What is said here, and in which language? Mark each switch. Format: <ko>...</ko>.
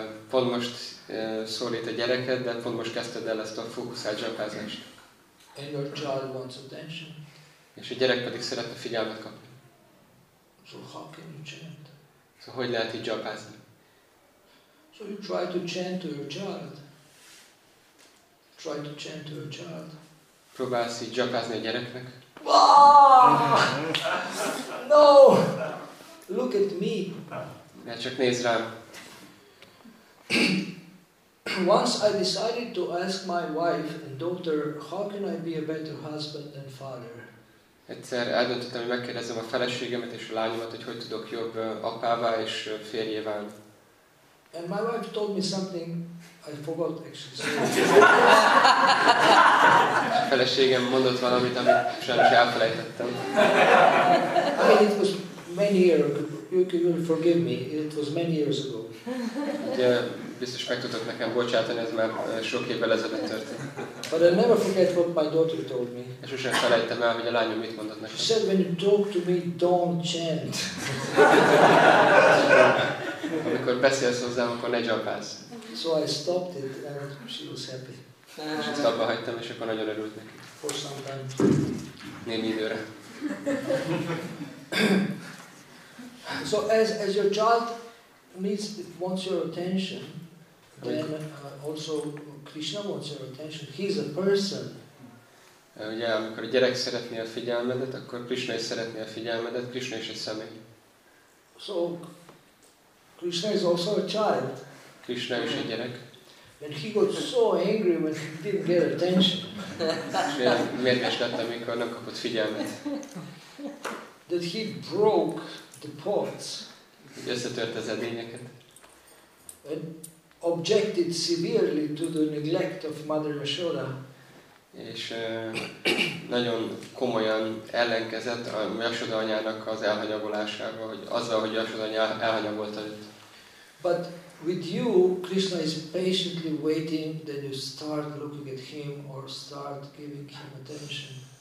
<hu>Pont most szólít a gyereket, de pont most kezdted el ezt a fókuszált japázást.</hu> <en>And your child wants attention.</en> <hu>És a gyerek pedig szeretne figyelmet kapni.</hu> <en>So how can you chant?</en> <hu>So hogy lehet így japázni?</hu> <en>So you try to chant to your child. Try to chant to your child.</en> <hu>Próbálsz így japázni a gyereknek.</hu> <en>Ah! No! Look at me.</en> <hu>Ne csak nézz rám.</hu> <en>Once I decided to ask my wife and daughter, how can I be a better husband and father?</en> <hu>Egyszer eldöntöttem, hogy megkérdezem a feleségemet és a lányomat, hogy hogy tudok jobb apává és férjével.</hu> <en>And my wife told me something I forgot actually.</en> <hu>A feleségem mondott valamit, amit sajnos elfelejtettem.</hu> <en>I mean, it was many years ago. You forgive me. It was many years ago.</en> <hu>De biztos meg tudok nekem bocsátani, ez már sok évvel ezelőtt történt.</hu> <en>But I never forget what my daughter told me.</en> <hu>És sosem felejtem el, hogy a lányom mit mondott nekem.</hu> <en>She said, when you talk to me, don't chant.</en> <hu>Amikor beszélsz hozzám, akkor ne japázz.</hu> <en>So I stopped it and she was happy.</en> <hu>És ezt abba hagytam, és akkor nagyon örült neki.</hu> <en>For some time.</en> <hu>Némi időre.</hu> <en>So as your child needs, wants your attention, then also Krishna wants your attention. He is a person.</en> <hu>Ugye, amikor a gyerek szeretné a figyelmedet, akkor Krishna is szeretné a figyelmedet, Krishna is egy személy.</hu> <en>So Krishna is also a child.</en> <hu>Krishna is egy gyerek.</hu> <en>And he got so angry when he didn't get attention.</en> <hu>Mérges lett, amikor nem kapott figyelmet.</hu> <en>That he broke the pots.</en> <hu>Összetört az edényeket.</hu> <en>And objected severely to the neglect of Mother Yashoda.</en> <hu>És nagyon komolyan ellenkezett a Yashoda anyának az elhanyagolásával, hogy azzal, hogy Yashoda anya elhanyagolta őt.</hu> <en>But with you, Krishna is patiently waiting that you start looking at him or start giving him attention.</en>